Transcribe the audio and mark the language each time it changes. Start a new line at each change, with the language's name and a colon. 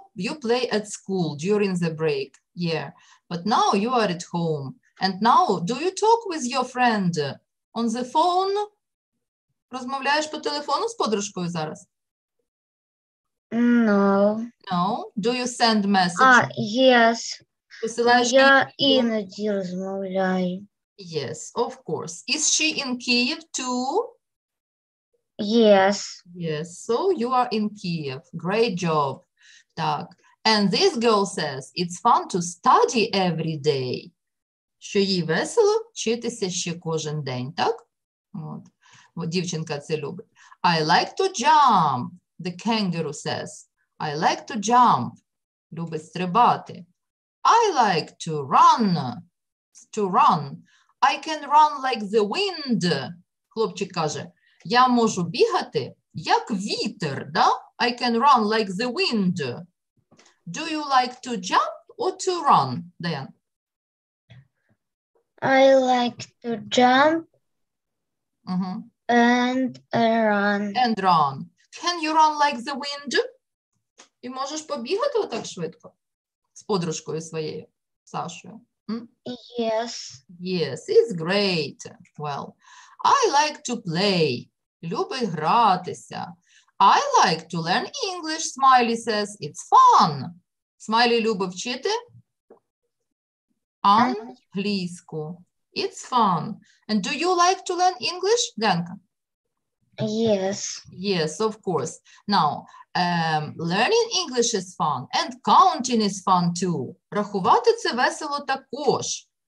English: You play at school during the break. Yeah. But now you are at home. And now, do you talk with your friend on the phone?
Ukrainian: Розмовляєш по телефону з подружкою зараз?
English: No. No? Do you send messages? Ah, yes.
Ukrainian: Посилаєш я іноді розмовляю.
English: Yes, of course. Is she in Kyiv too? Yes. Yes, so you are in Kyiv. Great job.
Ukrainian: Так.
English: And this girl says, it's fun to study every day.
Ukrainian: Що їй весело вчитися ще кожен день, так? От. Дівчинка це любить.
English: I like to jump, the kangaroo says. I like to jump.
Ukrainian: Любить стрибати.
English: I like to run. To run. I can run like the wind.
Ukrainian: Хлопчик каже, я можу бігати, як вітер, да?
English: I can run like the wind. Do you like to jump or to run, Diane? I like to jump and run. And run. Can you run like the wind?
Ukrainian: І можеш побігати отак швидко з подружкою своєю, Сашою?
English: Yes. Yes, it's great. Well, I like to play.
Ukrainian: Любить гратися.
English: I like to learn English, Smiley says. It's fun.
Ukrainian: Смайлі любить вчити англійську.
English: It's fun. And do you like to learn English, Данка? Yes. Yes, of course. Now, learning English is fun and counting is fun too.
Ukrainian: Рахувати це весело також.